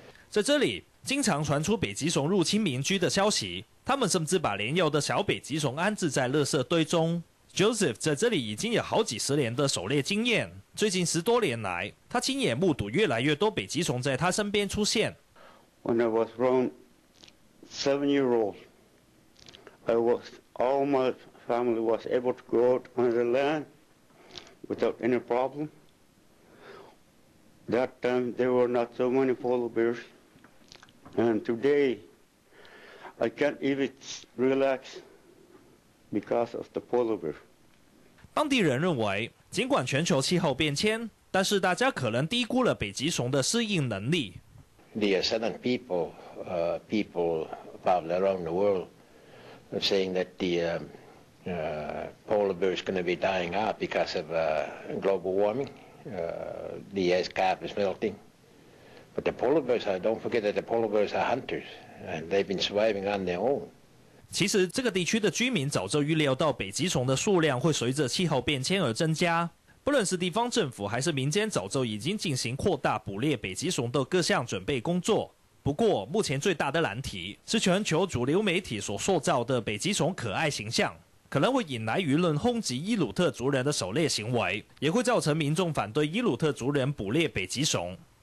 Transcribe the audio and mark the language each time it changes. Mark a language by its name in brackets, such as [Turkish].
[Chinese] 在这里，经常传出北极熊入侵民居的消息，他们甚至把年幼的小北极熊安置在垃圾堆中。 Joseph 在这里已经有好几十年的狩猎经验，最近十多年来，他亲眼目睹越来越多北极熊在他身边出现。 [English] When I was around 7 years old, all my family was able to go out on the land without any problem. That time there were not so many polar bears, and today I can't even relax because of the polar bear. [Chinese] 当地人认为，尽管全球气候变迁，但是大家可能低估了北极熊的适应能力。 [English] The southern people, people probably around the world, are saying that the polar bear is going to be dying out because of global warming. The ice cap is melting. But the polar bears, don't forget that the polar bears are hunters, and they've been surviving on their own. [Chinese] 其实这个地区的居民早就预料到北极熊的数量会随着气候变迁而增加，不论是地方政府还是民间早就已经进行扩大捕猎北极熊的各项准备工作。不过目前最大的难题是全球主流媒体所塑造的北极熊可爱形象，可能会引来舆论轰击伊鲁特族人的狩猎行为，也会造成民众反对伊鲁特族人捕猎北极熊。